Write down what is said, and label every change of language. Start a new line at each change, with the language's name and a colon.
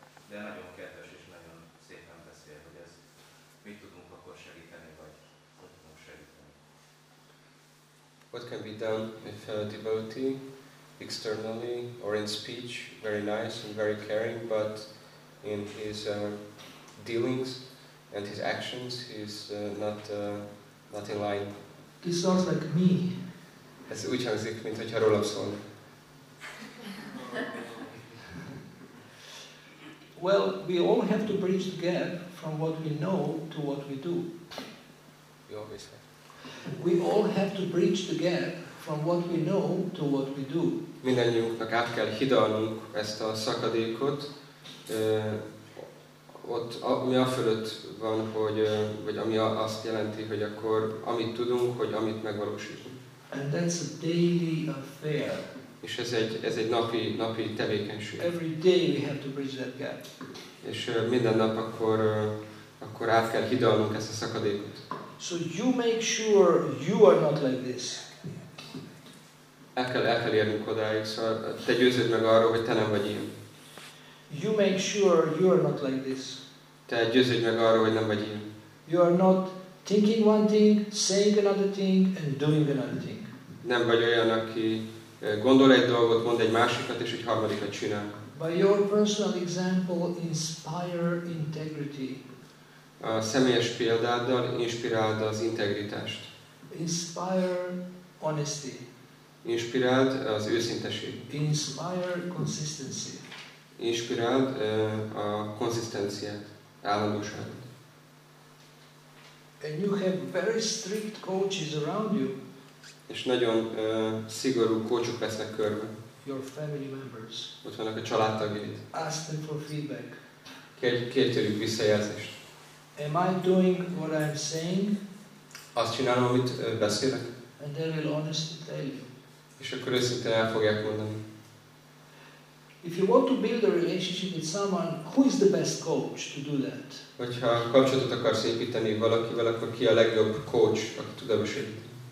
Hungarian: de nagyon kedves és nagyon szépen beszél, hogy ez mit tudunk akkor segíteni, vagy hogy tudunk segíteni.
English: What can be done if a devotee externally or in speech, very nice and very caring, but in his dealings and his actions, he's not in line. He sounds like me.
Hungarian: Ez úgy hangzik, mint hogyha rólam szól.
English: Well, we all have to bridge the gap from what we know to what we do. You always have. We all have to bridge the gap from what we know to what we do.
Hungarian: Mindannyiunknak át kell hidalnunk ezt a szakadékot. Ott ami a fölött van, hogy vagy ami azt jelenti, hogy akkor amit tudunk, hogy amit megvalósítunk.
English: And that's a daily affair.
Hungarian: És ez egy napi tevékenység.
English: Every day we have to bridge that gap.
Hungarian: És minden nap akkor át kell hidalnunk ezt a szakadékot.
English: So you make sure you are not like this.
Hungarian: El kell érnünk odáig, szóval te győződ meg arról, hogy te nem vagy ilyen.
English: You make sure you are not like this.
Hungarian: Te győződj meg arról, hogy nem vagy ilyen.
English: You are not thinking one thing, saying another thing, and doing another thing.
Hungarian: Nem vagy olyan, aki gondol egy dolgot, mond egy másikat, és egy harmadikat csinál.
English: By your personal example, inspire integrity.
Hungarian: A személyes példáddal inspiráld az integritást.
English: Inspire honesty.
Hungarian: Inspiráld az őszinteség.
English: Inspire consistency.
Hungarian: Inspiráld a konzisztenciát, állandóságot.
English: And you have very strict coaches around you.
Hungarian: És nagyon szigorú coachok vesznek körbe.
English: Your family members.
Hungarian: Ott vannak a családtagjaid.
English: Ask them for feedback.
Hungarian: Kér tőlük visszajelzést.
English: Am I doing what I'm saying?
Hungarian: Azt csinálom, amit beszélek.
English: And they will honestly tell you.
Hungarian: És akkor őszintén el fogják mondani.
English: If you want to build a relationship with someone, who is the best coach to do that?
Hungarian: Hogyha kapcsolatot akarsz építeni valakivel, akkor ki a legjobb coach, aki tud ebbe segíteni?